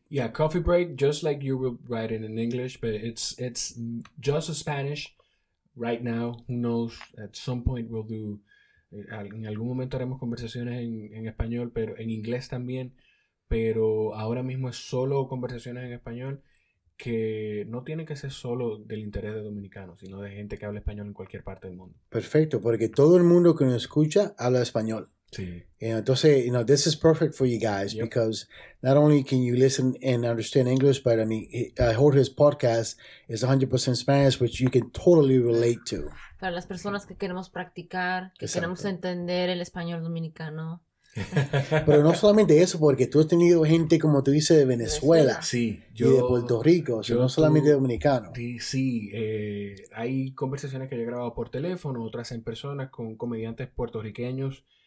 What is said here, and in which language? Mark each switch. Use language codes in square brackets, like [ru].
[en] yeah, Coffee Break, just like you would write it in English, but it's just a Spanish right now. Who knows? At some point we'll do, [es] en algún momento haremos conversaciones en español, pero en inglés también, pero ahora mismo es solo conversaciones en español, que no tiene que ser solo del interés de dominicanos, sino de gente que habla español en cualquier parte del mundo. Perfecto, porque todo el mundo que nos escucha habla español. Sí. [en] Entonces, this is perfect for you guys Yep. because not only can you listen and understand English, but I mean, Jorge's podcast is 100% Spanish, which you can totally relate to. [es] Para las personas que queremos practicar, que queremos Exacto. entender el español dominicano. Pero no solamente eso, porque tú has tenido gente, como tú dices, de Venezuela Sí, y de Puerto Rico, o sea, no yo solamente tú, dominicano. sí, hay conversaciones que yo he grabado por teléfono, otras en personas con comediantes puertorriqueños.